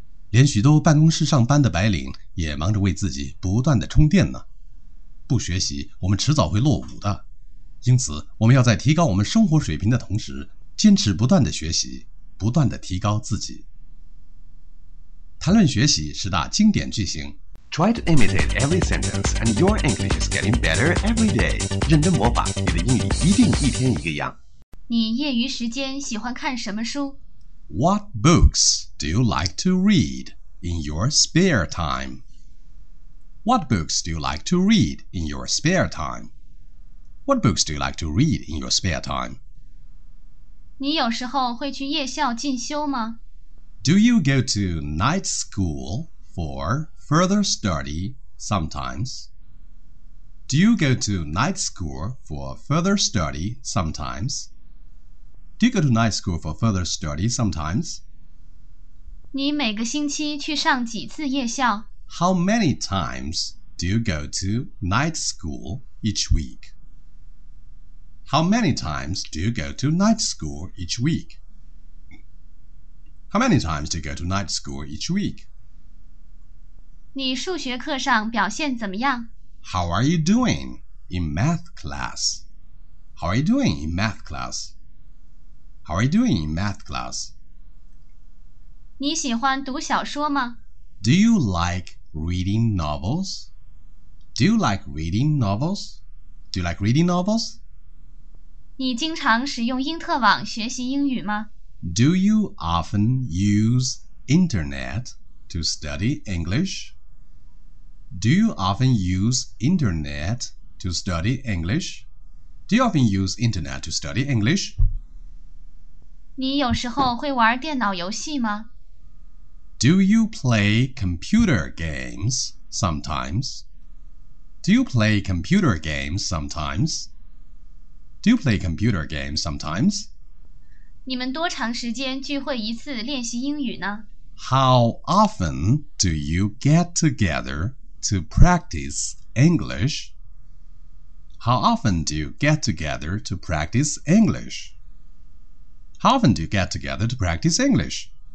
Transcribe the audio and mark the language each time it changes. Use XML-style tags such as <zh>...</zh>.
<zh>连许多办公室上班的白领也忙着为自己不断的充电呢。不学习，我们迟早会落伍的。因此，我们要在提高我们生活水平的同时，坚持不断的学习，不断的提高自己。谈论学习十大经典句型。</zh> <en>Try to imitate every sentence, and your English is getting better every day.</en> <zh>认真模仿，你的英语一定一天一个样。你业余时间喜欢看什么书？</zh> <en>What books do you like to read in your spare time? What books do you like to read in your spare time? What books do you like to read in your spare time?</en> <zh>你有时候会去夜校进修吗？</zh> <en>Do you go to night school for further study sometimes? Do you go to night school for further study sometimes? Do you go to night school for further study sometimes?</en> <zh>你每个星期去上几次夜校?</zh> <en>How many times do you go to night school each week? How many times do you go to night school each week? How many times do you go to night school each week?</en> <zh>你数学课上表现怎么样?</zh> <en>How are you doing in math class? How are you doing in math class? How are you doing in math class?</en> <zh>你喜欢读小说吗?</zh> <en>Do you like reading novels? Do you like reading novels? Do you like reading novels?</en> <zh>你经常使用因特网学习英语吗?</zh> <en>Do you often use internet to study English? Do you often use internet to study English? Do you often use internet to study English?</en> <zh>你有时候会玩电脑游戏吗?</zh> <en>Do you play computer games sometimes? Do you play computer games sometimes? Do you play computer games sometimes?</en> <zh>你们多长时间聚会一次练习英语呢?</zh> <en>How often do you get together to practice English? How often do you get together to practice English? How often do you get together to practice English?</en>